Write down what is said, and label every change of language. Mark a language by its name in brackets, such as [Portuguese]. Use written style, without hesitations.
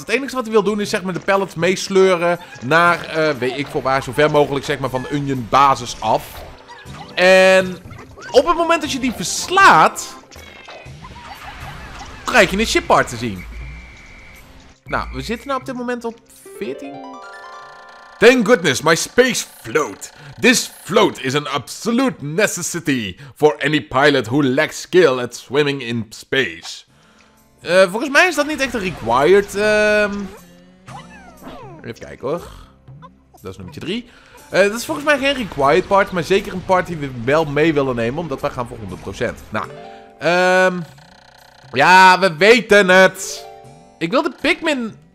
[Dutch] Het enige wat hij wil doen is zeg maar de pallet meesleuren naar, weet ik voor waar, zo ver mogelijk zeg maar van de Onion basis af. En op het moment dat je die verslaat... krijg je een shipart te zien. Nou, we zitten nou op dit moment op 14. [English] Thank goodness my space float. This float is an absolute necessity for any pilot who lacks skill at swimming in space. [Dutch] Volgens mij is dat niet echt een required. Even kijken hoor. Dat is nummertje 3. Dat is volgens mij geen required part, maar zeker een part die we wel mee willen nemen, omdat wij gaan voor 100%. Ja, we weten het. Ik wil de Pikmin.